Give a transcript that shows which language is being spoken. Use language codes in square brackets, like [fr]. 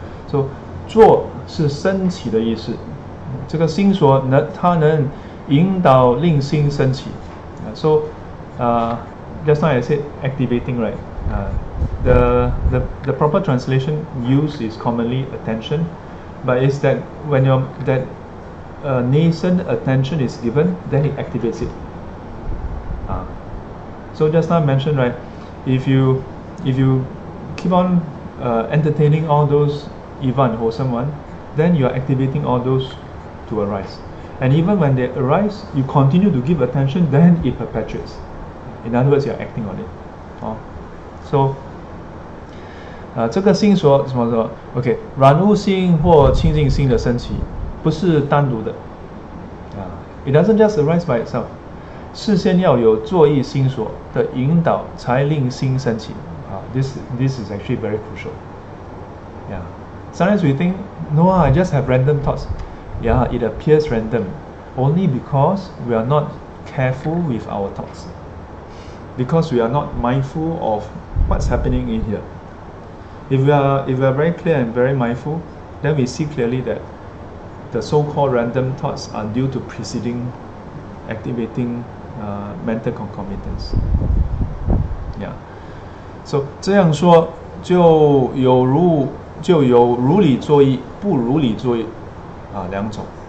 [zh] So 作 是升起的意思, 这个心所, 它能引导令心升起. [en] So just now I said activating, right? The proper translation used is commonly attention, but it's that when your that nascent attention is given, then it activates it. So just now I mentioned, right, if you keep on entertaining all those evil and wholesome one, then you are activating all those to arise. And even when they arise, you continue to give attention, then it perpetuates. In other words, you are acting on it. So, [zh] 这个心所什么什么 ？OK， 软物心或清净心的升起，不是单独的。 [en] It doesn't just arise by itself。 [zh] 事先要有作意心所的引导，才令心升起。 [en] This is actually very crucial。 Yeah. Sometimes we think, no, I just have random thoughts. Yeah, it appears random, only because we are not careful with our thoughts, because we are not mindful of what's happening in here. If we are very clear and very mindful, then we see clearly that the so-called random thoughts are due to preceding activating mental concomitants. Yeah. [zh] So 这样说就有如理作意，不如理作意，两种。